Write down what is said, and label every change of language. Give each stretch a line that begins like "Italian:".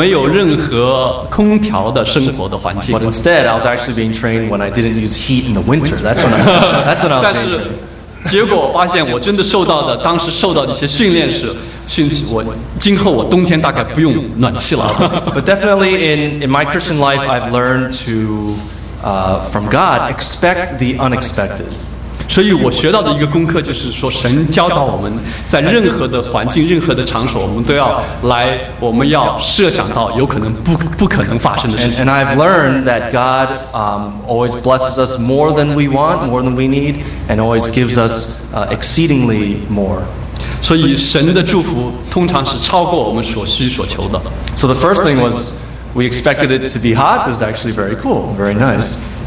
Chinese: 所以我引以自豪的是，在那段时间，我能够让自己能够觉得我自己能够适应没有任何空调的生活的环境。
English: But instead, I was actually being trained when I didn't use heat in the winter. That's when I was.
Chinese: 结果发现我真的受到的，当时受到的一些训练是，我今后我冬天大概不用暖气了。
English: But definitely in my Christian life, I've learned to from God expect the unexpected.
Chinese: 所以我学到的一个功课就是说，神教导我们在任何的环境、任何的场所，我们都要来，我们要设想到有可能不可能发生的事情。
English: And I've learned that God always blesses us more than we want, more than we need, and always gives us exceedingly more.
Chinese: 所以神的祝福通常是超过我们所需所求的。
English: So the first thing was we expected it to be hot, but it was actually very cool, very nice.